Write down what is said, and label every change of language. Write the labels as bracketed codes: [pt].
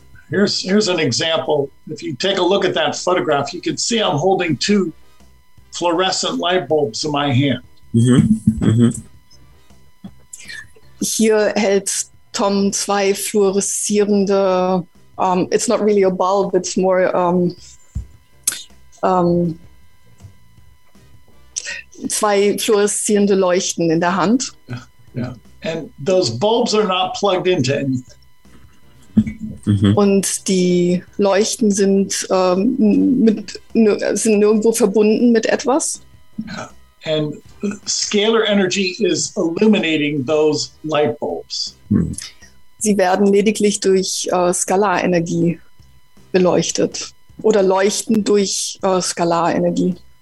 [en] Here's an example. If you take a look at that photograph, you can see I'm holding two fluorescent light bulbs in my hand. [de] Hier hält Tom zwei fluoreszierende, [en] it's not really a bulb, it's more [de] zwei fluoreszierende Leuchten in der Hand. [en] Yeah. And those bulbs are not plugged into anything. [de] Und die Leuchten sind sind nirgendwo verbunden mit etwas. [en] Yeah. And scalar energy is illuminating those light bulbs. [de] Sie werden lediglich durch Skalarenergie beleuchtet oder leuchten durch Skalarenergie.